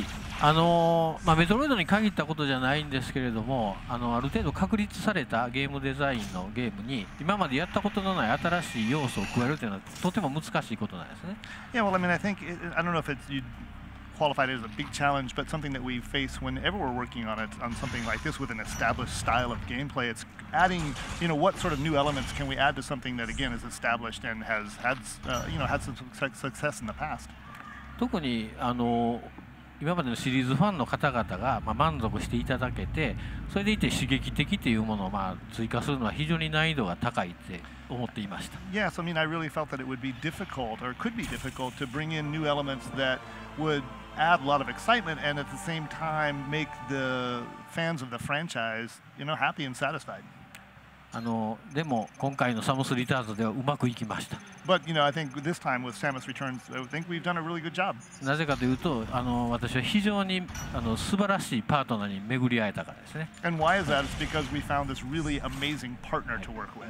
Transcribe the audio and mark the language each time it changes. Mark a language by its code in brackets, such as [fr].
[ja] はい、メトロイドに限ったことじゃないんですけれども、ある程度確立されたゲームデザインのゲームに今までやったことのない新しい要素を加えるというのはとても難しいことなんですね。 [en] Yeah, well, I mean, I think, I don't know if it's, you'd qualify it as a big challenge, but something that we face whenever we're working on it, on something like this with an established style of gameplay, it's adding, you know, what sort of new elements can we add to something that, again, is established and has had, had some success in the past. [ja] 特に今までのシリーズファンの方々が、満足していただけて、それでいて刺激的というものを、追加するのは非常に難易度が高いって思っていました。 [en] Yes, I mean, I really felt that it would be difficult, or could be difficult, to bring in new elements that would add a lot of excitement and at the same time make the fans of the franchise, you know, happy and satisfied. [ja] でも今回のサムス・リターンズではうまくいきました。 [en] But, you know, I think this time with Samus Returns, I think we've done a really good job. [ja] なぜかというと、私は非常に素晴らしいパートナーに巡り合えたからですね。 [en] And why is that? It's because we found this really amazing partner to work with.